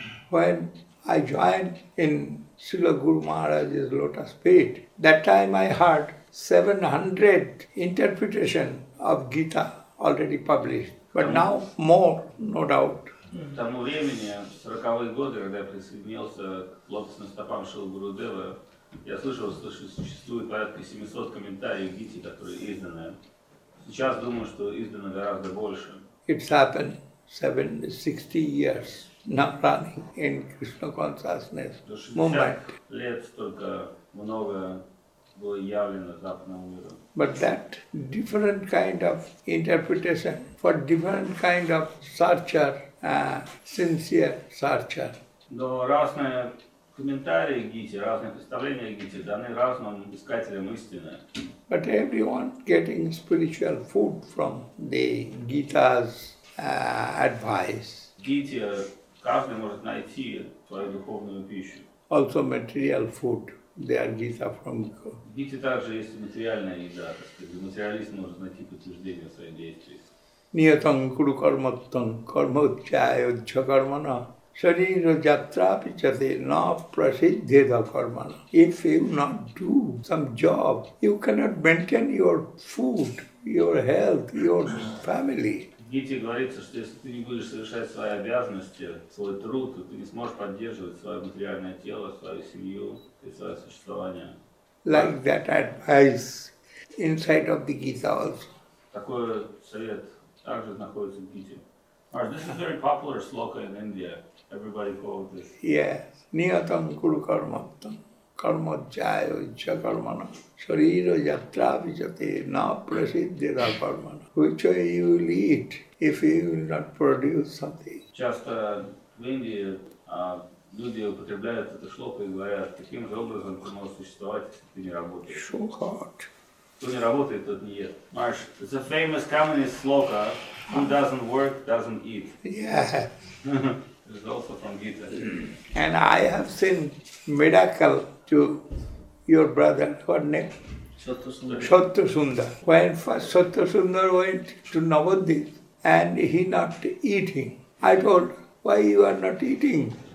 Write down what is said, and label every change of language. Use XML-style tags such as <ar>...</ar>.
<en>When I joined in Srila Guru Maharaj's lotus feet, that time I heard 700 interpretations of Gita already published, but now more, no doubt.</en> <ru>К тому времени, в 40-е годы, когда я присоединился к лотосным стопам Шрилы Гурудевы, Я слышал, что существует порядка 700 комментариев в Гите, которые изданы. Сейчас думаю, что издано гораздо больше.</ru> <en>It's happened 760 years now running in Krishna consciousness movement.</en> <ru>Лет столько много было явлено западному миру.</ru> <en>But that different kind of interpretation for different kind of searcher, sincere searcher.</en> <ru>Но разные комментарии Гите, разные представления Гите даны разным искателям истины.</ru> <en>But everyone getting spiritual food from the Gita's advice.</en> <ru>Гите каждый может найти свою духовную пищу.</ru> <en>Also material food. They are Gita from Gita.</en> <ru>Гите также есть материальная еда, то есть материалист может найти подтверждение своей деятельности.</ru> <sa>Niyatam kuru karmattam karma uchaya uchya karmana sharira jatra pichate na prasiddheda karmana.</sa> <en>If you not do some job, you cannot maintain your food, your health, your family.</en> <ru>В Гите говорится, что если ты не будешь совершать свои обязанности, свой труд, то ты не сможешь поддерживать свое материальное тело, свою семью и свое существование.</ru> <en>Like that advice inside of the Gita also.</en> <ru>Такой совет.</ru> <en>This is a very popular sloka in India. Everybody calls this.</en> <sa>Yes. Niyatam kuru karmattam karma jaya ichcha karmana sharira yatra vichate na prasiddhira karmana.</sa> <en>Which way you will eat if you will not produce something?</en> <ru>Just в Индии люди употребляют эту шлоку и говорят, таким же образом ты можешь существовать, если ты не работаешь.</ru> <en>So hard.</en> <ru>Кто не работает, тот не ест.</ru> <en>Марш, it's a famous communist sloka, who doesn't work, doesn't eat. Yeah. It's also from Gita. And I have seen miracle to your brother, what name? Shatrasundar. When first Shatrasundar went to Navadvip and he not eating, I told, why you are not eating?</en>